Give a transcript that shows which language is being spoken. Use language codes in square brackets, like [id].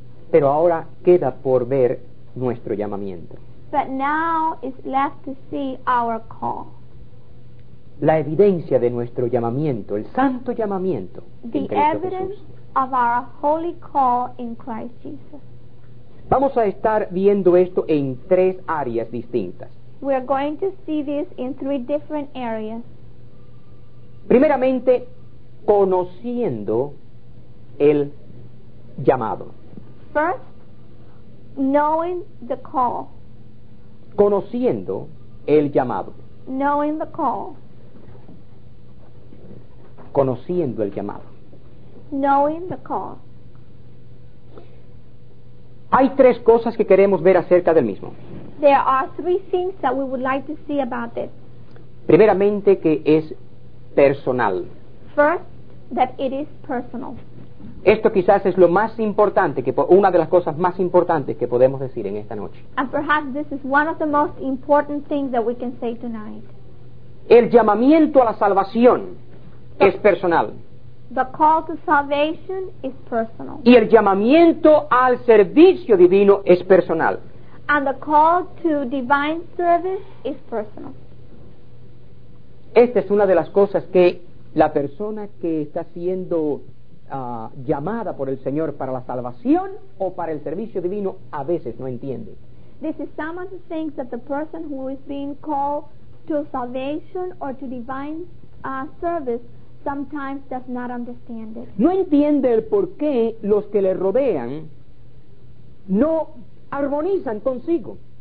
[es] Pero ahora queda por ver nuestro llamamiento. [en] But now it's left to see our call. [es] La evidencia de nuestro llamamiento, el santo llamamiento. [en] The evidence of our holy call in Christ Jesus. [es] Vamos a estar viendo esto en tres áreas distintas. [en] We are going to see this in three different areas. [es] Primeramente, conociendo el llamado. [en] First, knowing the call. [es] Conociendo el llamado. [en] Knowing the call. [es] Conociendo el llamado. [en] Knowing the call. [es] Hay tres cosas que queremos ver acerca del mismo. [en] There are three things that we would like to see about it. [es] Primeramente, que es personal. [en] First, that it is personal. [es] Esto quizás es lo más importante, que una de las cosas más importantes que podemos decir en esta noche. [en] And perhaps this is one of the most important things that we can say tonight. [es] El llamamiento a la salvación es personal. [en] The call to salvation is personal. [es] Y el llamamiento al servicio divino es personal. [en] And the call to divine service is personal. [es] Esta es una de las cosas que la persona que está siendo llamada por el Señor para la salvación o para el servicio divino a veces no entiende. [en] This is some of the things that the person who is being called to salvation or to divine service sometimes does not understand it. [es] No entiende el por qué los que le rodean no armonizan consigo.